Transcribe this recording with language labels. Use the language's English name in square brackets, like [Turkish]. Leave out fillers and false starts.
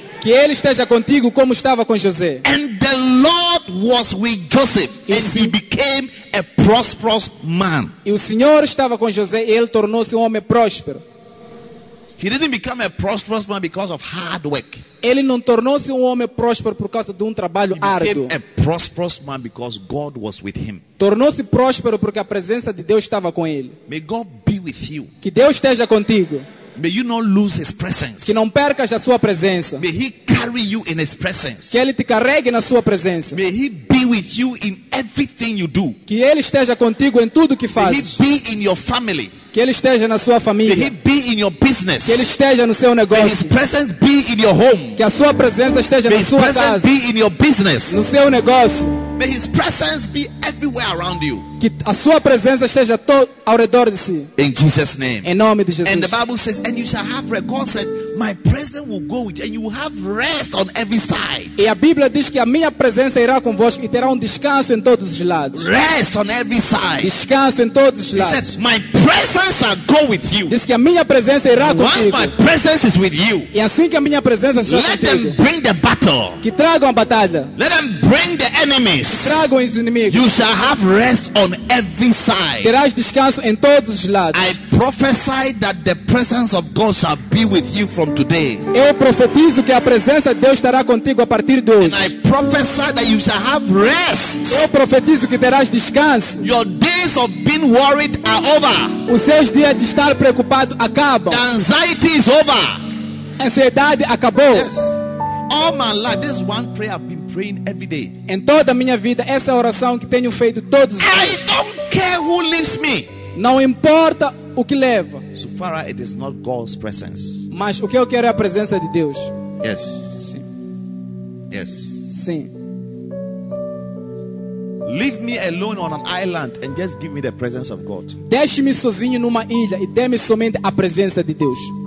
[Portuguese] Que Ele esteja contigo como estava com José. [English] And the Lord was with Joseph, and he became a prosperous man. [Portuguese] E o Senhor estava com José e ele tornou-se um homem próspero. [English] He didn't become a prosperous man because of hard work. [Portuguese] Ele não tornou-se um homem próspero por causa de trabalho árduo. [English] He became a prosperous man because God was with him. [Portuguese] Tornou-se próspero porque a presença de Deus estava com ele. [English] May God be with you. [Portuguese] Que Deus esteja contigo. [English] May you not lose His presence. [Portuguese] Que não percas a sua presença. [English] May He carry you in His presence. [Portuguese] Que Ele te carregue na sua presença. [English] May He be with you in everything you do. [Portuguese] Que Ele esteja contigo em tudo que fazes. [English] May He be in your family. [Portuguese] Que Ele esteja na sua família. [English] May He be in your business. [Portuguese] Que Ele esteja no seu negócio. [English] May His presence be in your home. [Portuguese] Que a sua presença esteja [English] May [Portuguese] na sua casa. [English] May His presence be in your business. [Portuguese] No seu negócio. [English] May His presence be everywhere around you. [Portuguese] Que a sua presença esteja todo ao redor de si. [English] In Jesus' name. [Portuguese] Em nome de Jesus. [English] And the Bible says, and you shall have rest. God said, my presence will go with you, and you will have rest on every side. [Portuguese] E a Bíblia diz que a minha presença irá convosco e terá descanso em todos os lados. [English] Rest on every side. [Portuguese] Descanso em todos os lados. [English] He said, my presence shall go with you. [Portuguese] Diz que a minha presença irá [English] Once [Portuguese] contigo. [English] My presence is with you. [Portuguese] E assim que a minha presença está contigo. [English] Let them bring the battle. [Portuguese] Que tragam a batalha. [English] Let them bring the enemies. [Portuguese] Que tragam os inimigos. [English] You shall have rest on every side. [Portuguese] Terás descanso em todos os lados. [English] I prophesy that the presence of God shall be with you from today. [Portuguese] Eu profetizo que a presença de Deus estará contigo a partir de hoje. [English] And I prophesy that you shall have rest. [Portuguese] Eu profetizo que terás descanso. [English] Your days of being worried are over. [Portuguese] Os seus dias de estar preocupado acabam. [English] The anxiety is over. [Portuguese] Ansiedade acabou. [English] Yes. All my life, this one prayer I've been praying every day. [Portuguese] Em toda a minha vida, essa oração que tenho feito todos os dias. [English] I don't care who leaves me. [Portuguese] Não importa o que leva. [English] So far, it is not God's presence. [Portuguese] Mas o que eu quero é a presença de Deus. [English] Yes. [Portuguese] Sim. [English] Yes. [Portuguese] Sim. [English] Leave me alone on an island and just give me the presence of God. [Portuguese] Deixe-me sozinho numa ilha e dê-me somente a presença de Deus.